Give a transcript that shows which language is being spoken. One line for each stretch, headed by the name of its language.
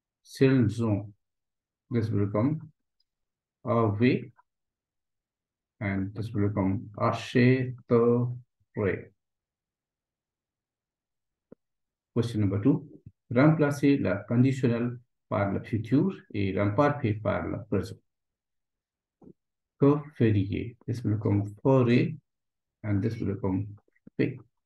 French: S'ils ont,
English: this will become avait, and this will become achèterait. Question number two.
French: Remplacez la conditionnelle par le futur et l'imparfait par le présent. Que feriez?
English: This will become ferait, and this will become fait.